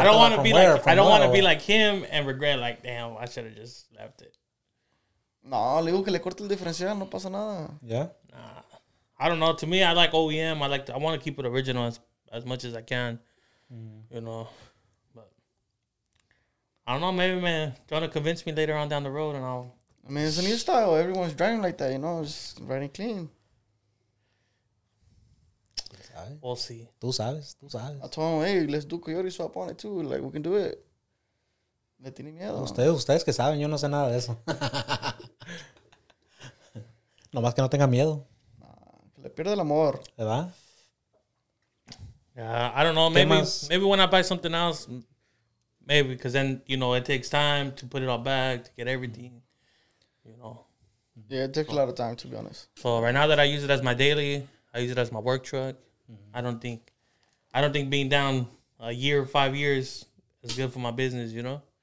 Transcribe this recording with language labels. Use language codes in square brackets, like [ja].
[en] I don't want to be like him and regret, like, damn, I should have just left it. [es] No, le digo que le corte el diferencial, no pasa nada. [en] Yeah. Nah. I don't know. To me, I like OEM. I want to keep it original as much as I can. Mm. You know. But I don't know, maybe, man, you want to convince me later on down the road and I'll. I mean, it's a new style. Everyone's driving like that, you know, it's riding clean. We'll see. [es] Tú sabes. [en] I told him, hey, let's do coyote swap on it too. Like, we can do it. [es] Me tiene miedo. Ustedes que saben, yo no sé nada de eso. Nomás que no tenga miedo. Nah, que le pierde el amor. ¿Verdad? [en] Yeah, I don't know. Maybe when I buy something else, maybe, because then, you know, it takes time to put it all back, to get everything, you know. Yeah, it takes a lot of time, to be honest. So right now that I use it as my daily, I use it as my work truck. I don't think being down a year, 5 years is good for my business, you know?